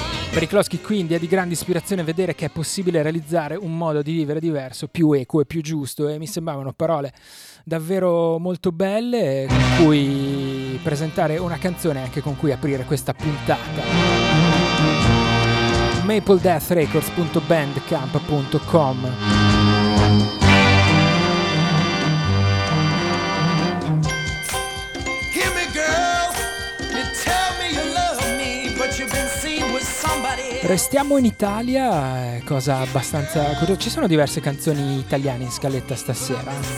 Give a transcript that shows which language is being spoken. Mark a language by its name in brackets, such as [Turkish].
[Italian] Per i Klosky quindi è di grande ispirazione vedere che è possibile realizzare un modo di vivere diverso, più equo e più giusto, e mi sembravano parole davvero molto belle con cui presentare una canzone e anche con cui aprire questa puntata. [English] MapleDeathRecords.bandcamp.com. Hear me, girl. You tell me you love me, but you've been seen with somebody. [Italian] Restiamo in Italia, cosa abbastanza curiosa. Ci sono diverse canzoni italiane in scaletta stasera.